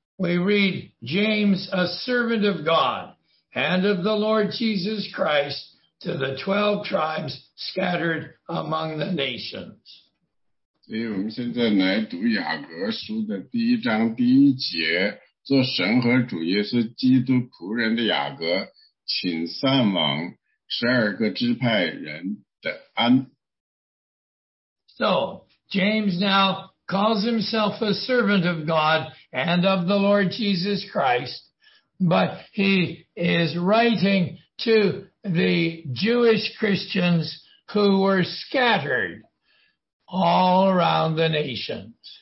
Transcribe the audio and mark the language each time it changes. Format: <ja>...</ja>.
<en>We read, James, a servant of God and of the Lord Jesus Christ, to the 12 tribes scattered among the nations.</en> <zh>所以我们现在来读雅各书的第一章第一节, 做神和主耶稣基督仆人的雅各, 请散往。</zh> <en>So, James now calls himself a servant of God and of the Lord Jesus Christ, but he is writing to the Jewish Christians who were scattered all around the nations.</en>